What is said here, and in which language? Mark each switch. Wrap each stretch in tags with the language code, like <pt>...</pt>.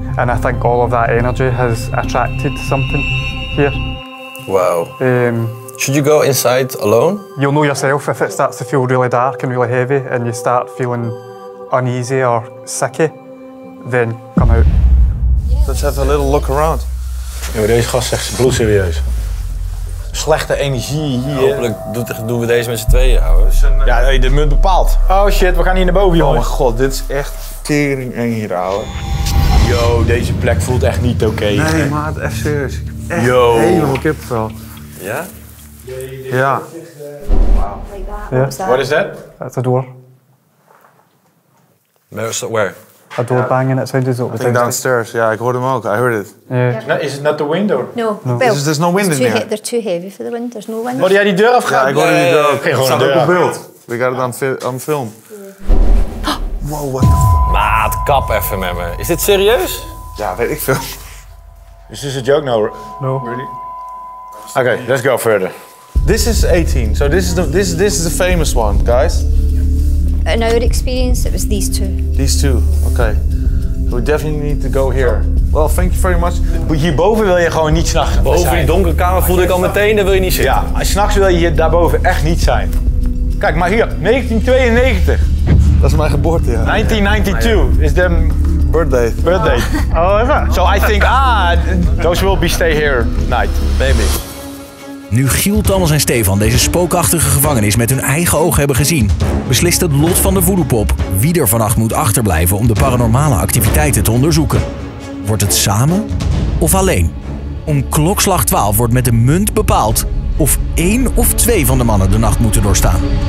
<en>And I think all of that energy has attracted something here. Wow. Should you go inside alone? You'll know yourself if it starts to feel really dark and really heavy and you start feeling uneasy or sicky, then come out. Let's have a little look around.</en> <nl>Yo, deze gast zegt ze bloedserieus. Slechte energie hier. Ja, hopelijk doen we deze met z'n tweeën, ouwe. Ja, de munt bepaalt. Oh shit, we gaan hier naar boven, jongen. Oh mijn god, dit is echt tering eng hier, ouwe. Yo, deze plek voelt echt niet oké. Nee, maat, echt serieus. Echt Yo. Helemaal kippenvel. Ja? Ja.</nl> <en>Wow. Yeah. What is that? That's a door. Where? A door banging, it sounded as though it was I think downstairs. Yeah, I heard him out. I heard it. Yeah. Is it not the window? No. Well, there's no wind in there. They're too heavy for the wind. There's no wind.</en> <nl>Maar jij die deur afgaan? Ja, ik hoorde die deur ook. Het staat ook op beeld.</nl> <en>We got it on film. Yeah. Wow, what the</en> <nl>Maat, kap even met me. Is dit serieus? Ja, weet ik veel.</nl> <en>Is this a joke? No. No. Really? Okay, let's go further. This is 18. So this is the famous one, guys. In our experience, it was these two. These two. Okay. So we definitely need to go here. Well, thank you very much.</en> <nl>Hierboven wil je gewoon niet 's nachts zijn. Boven die donkere kamer voelde ik al meteen, daar wil je niet zitten. Ja, 's nachts wil je hier daarboven echt niet zijn. Kijk, maar hier, 1992. Dat is mijn geboorte, ja. 1992 is de...</nl> <en>Birthday. Birthday.</en> <nl>Oh, is dat?</nl> <en>So I think, those will be stay here night. Maybe.</en> <nl>Nu Giel, Thomas en Stefan deze spookachtige gevangenis met hun eigen ogen hebben gezien, beslist het lot van de voodoo-pop wie er vannacht moet achterblijven om de paranormale activiteiten te onderzoeken. Wordt het samen of alleen? Om klokslag 12 wordt met de munt bepaald of één of twee van de mannen de nacht moeten doorstaan.</nl>